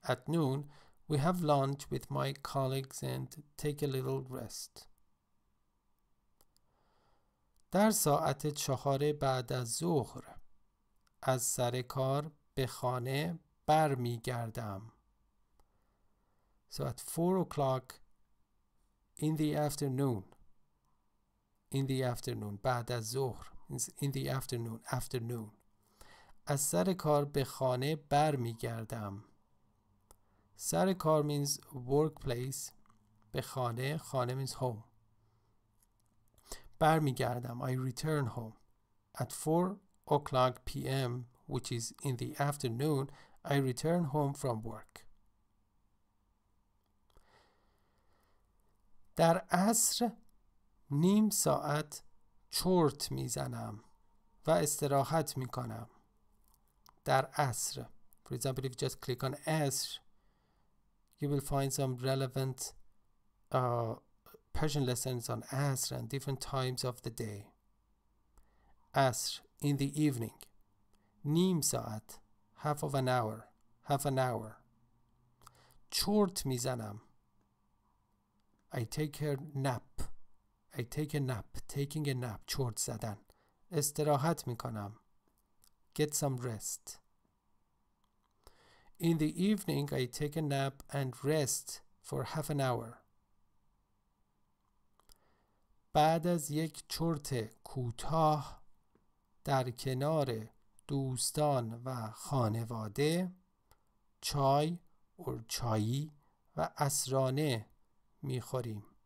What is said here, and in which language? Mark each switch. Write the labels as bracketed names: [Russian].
[English] at noon, we have lunch with my colleagues and take a little rest. [Persian] در ساعت 4 بعد از ظهر از سر کار به خانه بر می گردم. [English] So at 4 o'clock in the afternoon. In the afternoon, [Persian] بعد از ظهر. [English] In the afternoon, afternoon. [Persian] از سر کار به خانه بر می گردم. سر کار [English] means workplace. [Persian] به خانه, خانه [English] means home. [Persian] بر می گردم. [English] I return home. At 4 o'clock p.m. which is in the afternoon, I return home from work. [Persian] در عصر نیم ساعت چرت میزنم و استراحت میکنم. [English] در عصر, for example, if you just click on عصر, you will find some relevant Persian lessons on عصر and different times of the day. عصر, in the evening. [Persian] نیم ساعت, [English] half of an hour, half an hour. [Persian] چرت میزنم. [English] I take a nap. I take a nap. Taking a nap, [Persian] چرت زدن. استراحت میکنم. [English] Get some rest. In the evening, I take a nap and rest for half an hour. [Persian] بعد از یک چرت کوتاه در کنار دوستان و خانواده چای اور چایی و عصرانه می خوریم.